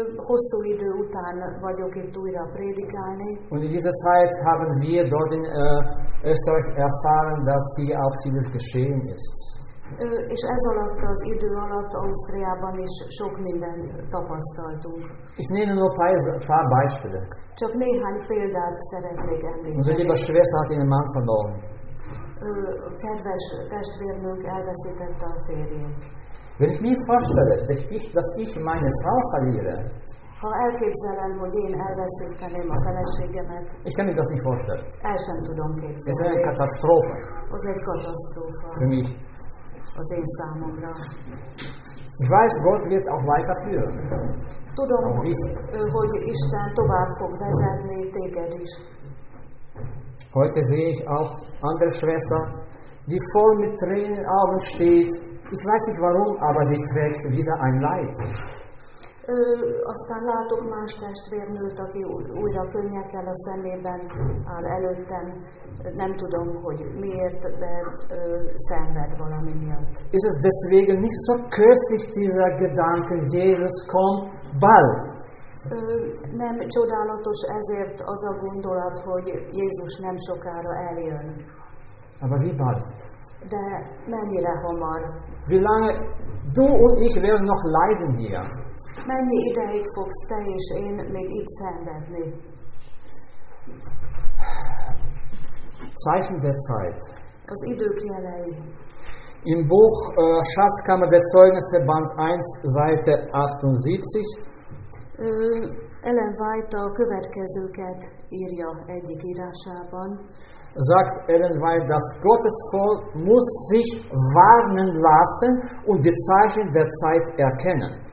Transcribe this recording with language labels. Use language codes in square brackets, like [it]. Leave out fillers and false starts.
[hu] Hosszú idő után vagyok itt újra prédikálni. [de] Und in dieser Zeit haben wir dort in Österreich erfahren, dass hier auch vieles geschehen ist. [hu] És ez alatt az idő alatt Ausztriában is sok mindent tapasztaltunk. [de] Ich nehme nur paar Beispiele. [hu] Csak néhány példát szeretnék említeni. [de] Unsere liebe Schwester hat ihren Mann verloren. [hu] Kedves testvérnők elveszítette a férjét. [de] Wenn ich mir vorstelle, dass ich meine Frau verliere, [hu] ha elképzelem, hogy én elveszíteném a feleségemet, [de] ich kann mir das nicht vorstellen. [hu] El sem tudom képzelni. Ez egy katasztrófa. Az egy katasztrófa. [de] Für mich. [hu] Az én számomra. [de] Ich weiß, Gott wird auch weiterführen. [hu] Tudom, hogy Isten tovább fog vezetni téged is. [de] Heute sehe ich auch andere Schwester, die voll mit Tränen Augen steht. Ich weiß nicht warum, aber sie trägt wieder ein Leid. [hu] Aztán látok más testvérnőt, aki újra könnyekkel a szemében áll előttem. Nem tudom, hogy miért, de szenved valami miatt. [de] Ist es deswegen nicht so köszig dieser Gedanke, Jesus komm bald? [hu] Nem csodálatos ezért az a gondolat, hogy Jézus nem sokára eljön. [de] Aber wie bald? [hu] De mennyire hamar? [de] Wie lange du und ich werden noch leiden hier? [hu] Mennyi ideig fogsz te és én még itt szenvedni? [de] Zeichen der Zeit. [hu] Az idők jelei. [de] Im Buch Schatzkammer der Zeugnisse, Band 1, Seite 78. [hu] Ellen White a következőket írja egyik írásában. [de] Sagt Ellen White, dass Gottes Volk muss sich warnen lassen und die Zeichen der Zeit erkennen.